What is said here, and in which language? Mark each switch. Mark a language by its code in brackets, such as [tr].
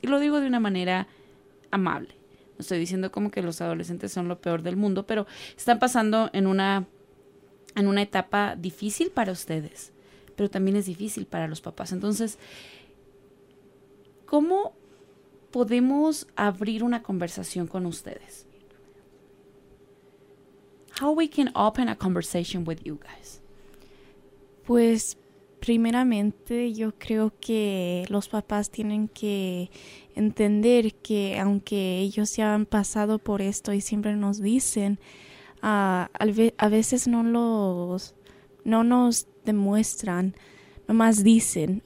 [es] Y lo digo de una manera amable. No estoy diciendo como que los adolescentes son lo peor del mundo, pero están pasando en una etapa difícil para ustedes, pero también es difícil para los papás. Entonces, ¿cómo podemos abrir una conversación con ustedes? [en] How we can open a conversation with you guys? [es] Pues, primeramente, yo creo que los papás tienen que entender que aunque ellos ya han pasado por esto y siempre nos dicen, a veces no nos demuestran, nomás dicen.